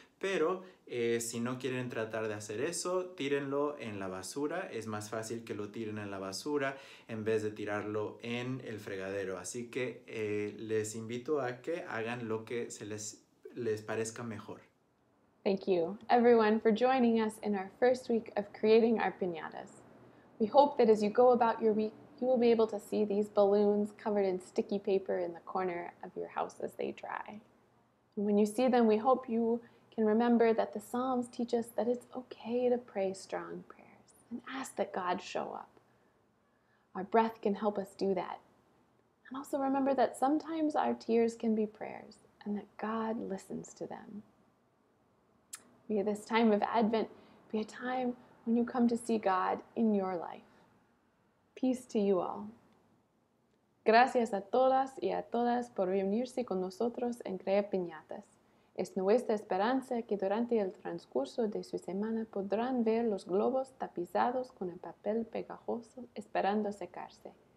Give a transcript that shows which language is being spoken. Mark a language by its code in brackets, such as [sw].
[es] Pero si no quieren tratar de hacer eso, tírenlo en la basura. Es más fácil que lo tiren en la basura en vez de tirarlo en el fregadero. Así que les invito a que hagan lo que se les parezca mejor. [en] Thank you, everyone, for joining us in our first week of creating our piñatas. We hope that as you go about your week, you will be able to see these balloons covered in sticky paper in the corner of your house as they dry. And when you see them, we hope you can remember that the Psalms teach us that it's okay to pray strong prayers and ask that God show up. Our breath can help us do that. And also remember that sometimes our tears can be prayers and that God listens to them. May this time of Advent be a time when you come to see God in your life. Peace to you all. [es] Gracias a todas y a todas por reunirse con nosotros en Crea Piñatas. Es nuestra esperanza que durante el transcurso de su semana podrán ver los globos tapizados con el papel pegajoso esperando secarse.